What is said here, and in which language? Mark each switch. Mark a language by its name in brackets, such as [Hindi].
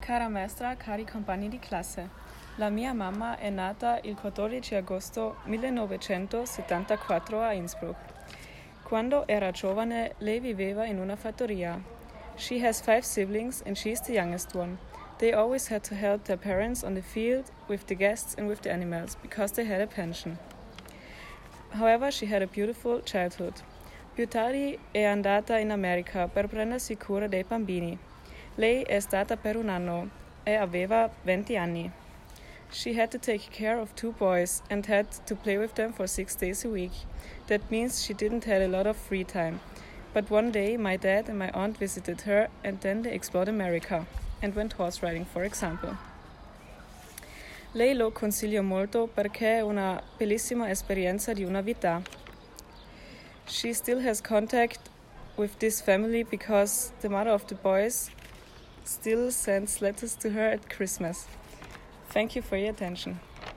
[Italian] Cara maestra, cari compagni di classe, la mia mamma è nata il 14 agosto 1974 a Innsbruck. Quando era giovane, lei viveva in una fattoria. [English] She has 5 siblings and she is the youngest one. They always had to help their parents on the field, with the guests and with the animals, because they had a pension. However, she had a beautiful childhood. [Italian] Più tardi è andata in America per prendersi cura dei bambini. Lei è stata per un anno e aveva 20 anni. [English] She had to take care of 2 boys and had to play with them for 6 days a week. That means she didn't have a lot of free time. But one day my dad and my aunt visited her and then they explored America and went horse riding, for example. [Italian] Lei lo consiglio molto perché è una bellissima esperienza di una vita. [English] She still has contact with this family because the mother of the boys still sends letters to her at Christmas. Thank you for your attention.